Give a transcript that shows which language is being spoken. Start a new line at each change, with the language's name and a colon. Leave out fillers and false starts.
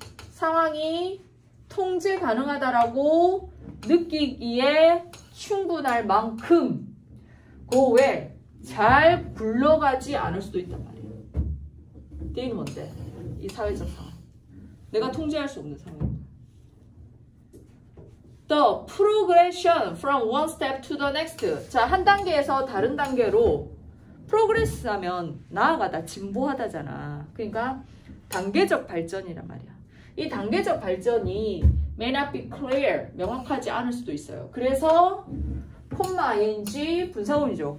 Korean: 상황이 통제 가능하다라고 느끼기에 충분할 만큼
English: go well,
Korean: 잘 굴러가지 않을 수도 있단 말이에요. 때는 뭔데? 이 사회적 상황. 내가 통제할 수 없는 상황.
English: The progression from one step to the next.
Korean: 자, 한 단계에서 다른 단계로 프로그레스 하면 나아가다, 진보하다잖아. 그러니까 단계적 발전이란 말이야. 이 단계적 발전이
English: may not be clear,
Korean: 명확하지 않을 수도 있어요. 그래서 콤마 ing 분사구이죠.